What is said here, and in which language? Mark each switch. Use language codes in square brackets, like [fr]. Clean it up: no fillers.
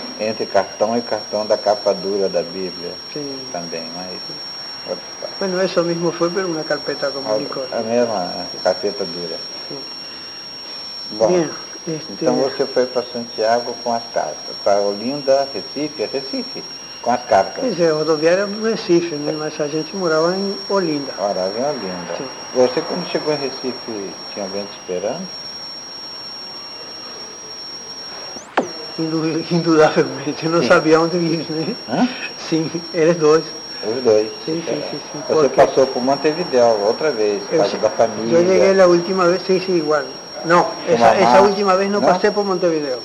[pt] Entre cartão e cartão da capa dura da Bíblia sim. Também, mas. Sim. [es] Bueno, eso mismo fue, pero una carpeta común y corriente. La misma, carpeta dura. Sí. Bueno, bien, entonces usted fue para Santiago con las cartas, para Olinda, Recife, Recife, con las cartas. Sí, rodoviaria en Recife, ¿no? [pt] Mas a gente moraba en Olinda. [es] Moraba en Olinda. Sí. ¿Usted cuando llegó en Recife, [pt] tinha [es] alguien te esperando? Indudablemente, no sabía dónde ir, ¿no? Sí, eres dos. [pt] Os dois. Sim. Você porque... passou por Montevideo outra vez, casa da família. Eu cheguei a última vez, sim, igual. Não, essa última vez não, não passei por Montevideo.